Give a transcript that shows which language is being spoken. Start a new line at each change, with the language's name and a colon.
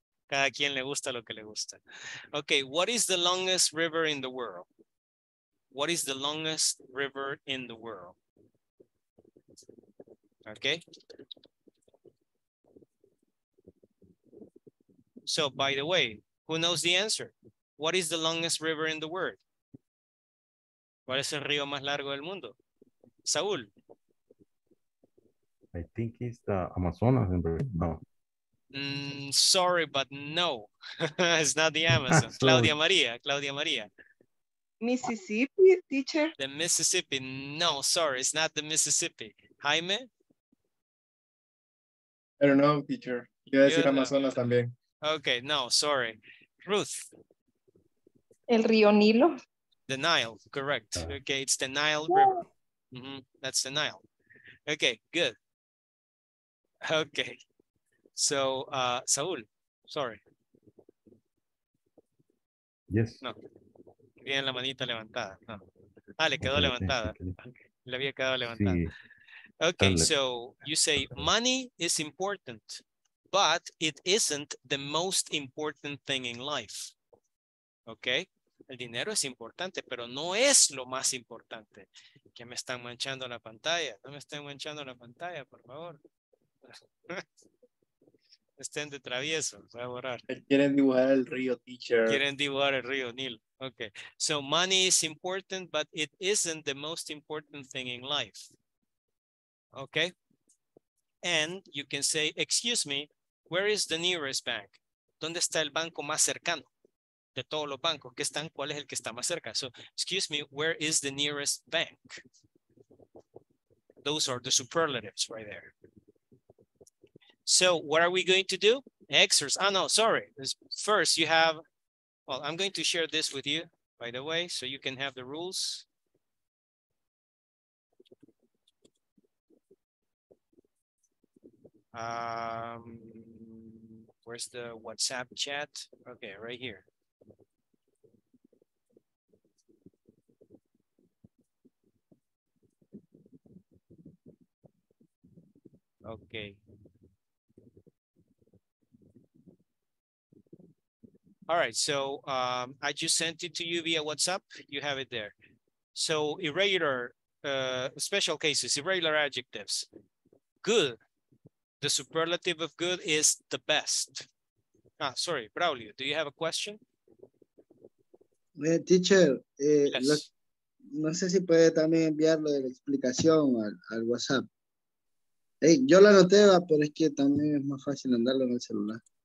Spanish: Cada quien le gusta lo que le gusta.
English: Okay. What is the longest river in the world? What is the longest river in the world? Okay. So, by the way, who knows the answer? What is the longest river in the world?
Spanish: ¿Cuál es el río más largo del mundo? Saúl.
English: I think it's the Amazonas. No. Sorry, but no. It's not the Amazon. Claudia Maria. Claudia Maria. Mississippi, teacher. The Mississippi. No, sorry. It's not the Mississippi. Jaime? I don't know, teacher.
Spanish: Yo voy a decir Amazonas también.
English: Okay, no, sorry. Ruth.
Spanish: El río Nilo.
English: The Nile, correct. Okay, it's the Nile River. Mm-hmm, that's the Nile. Okay, good. Okay. So, Saúl, sorry. Yes.
Spanish: No. Bien, la manita levantada. No. Ah, le quedó levantada. Le había quedado levantada.
English: Okay, so you say money is important. But it isn't the most important thing in life. Okay?
Spanish: El dinero es importante, pero no es lo más importante. ¿Qué me están manchando la pantalla? No me estén manchando la pantalla, por favor. Estén de travieso. Voy a borrar. Quieren dibujar el río, teacher. Quieren dibujar el río, Neil. Okay.
English: So money is important, but it isn't the most important thing in life. Okay? And you can say, excuse me, where is the nearest bank?
Spanish: ¿Dónde está el banco más cercano? De todos los bancos que están, ¿cuál es el que está más cerca?
English: So, excuse me, where is the nearest bank? Those are the superlatives right there. So, what are we going to do? Exercise. Oh, no, sorry. First, you have, well, I'm going to share this with you, by the way, so you can have the rules. Where's the WhatsApp chat? Okay, right here. Okay. All right, so I just sent it to you via WhatsApp. You have it there. So irregular, special cases, irregular adjectives. Good. The superlative of good is the best. Ah, sorry, Braulio, do you have a question? Teacher, yes.
Spanish: No sé si puede también enviarlo de la explicación al WhatsApp. Hey, yo lo anoté, pero es que también es más fácil andarlo en el celular.